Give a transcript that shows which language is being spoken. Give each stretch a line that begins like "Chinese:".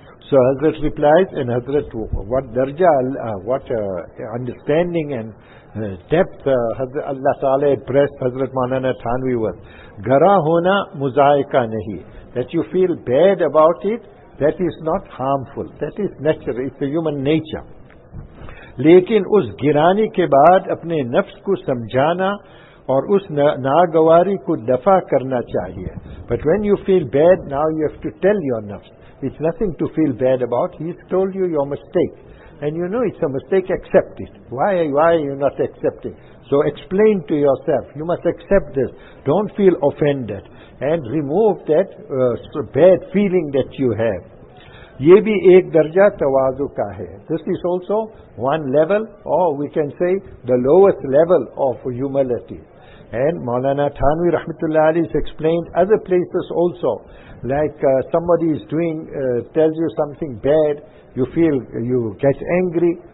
English: So Hazrat replies, and Hazrat, what darja, what understanding and depth Allah Ta'ala impressed Hazrat Maulana Thanvi with.
Urdu: Gara hona muzaika nahi.
English: That you feel bad about it, that is not harmful. That is natural. It's a human nature.
Urdu: لیکن اس گرانے کے بعد اپنے نفس کو سمجھانا اور اس ناگواری کو دفع کرنا چاہیے.
English: But when you feel bad, now you have to tell your nafs. It's nothing to feel bad about. He's told you your mistake. And you know it's a mistake. Accept it. Why are you not accepting? So explain to yourself. You must accept this. Don't feel offended. And remove that bad feeling that you have.
Urdu: یہ بھی ایک درجہ تواضع کا ہے.
English: This is also one level, or we can say the lowest level of humility. And Maulana Thanvi Rahmatullah Ali has explained other places also. Like somebody is doing, tells you something bad, you feel, you get angry.